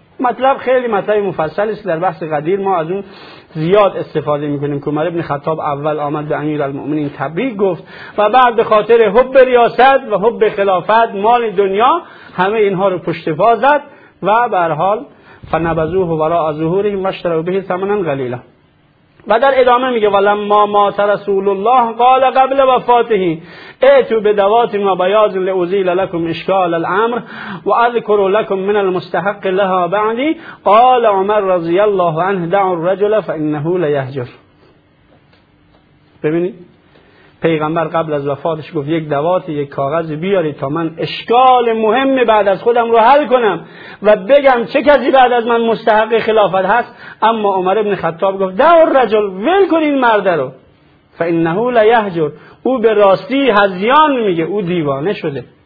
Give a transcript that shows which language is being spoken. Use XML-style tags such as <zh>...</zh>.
<fa>مطلب خیلی مطلب مفصل است، در بحث قدیر ما از اون زیاد استفاده میکنیم که عمر ابن خطاب اول آمد به امیرالمؤمنین تبریک گفت و بعد به خاطر حب ریاست و حب خلافت مال دنیا همه اینها رو پشت پا زد و به هر حال</fa> <ar>فنبذوه وراء ظهورهم واشتروا به ثمنا قلیلا.</ar> <fa>و در ادامه میگه</fa> <ar>ولما مات رسول الله قال قبل وفاته ائتوا بدوات ما بياض لازيل لكم اشكال الامر واذكر لكم من المستحق لها بعدي قال عمر رضي الله عنه دع الرجل فانه ليهجر.</ar> <fa>ببینید پیغمبر قبل از وفاتش گفت یک دوات یک کاغذ بیاری تا من اشکال مهم بعد از خودم رو حل کنم و بگم چه کسی بعد از من مستحق خلافت هست. اما عمر ابن خطاب گفت دور رجل ول کن این مرد رو</fa> <ar>فانه لیهجر،</ar> <fa>او به راستی هذیان میگه، او دیوانه شده.</fa>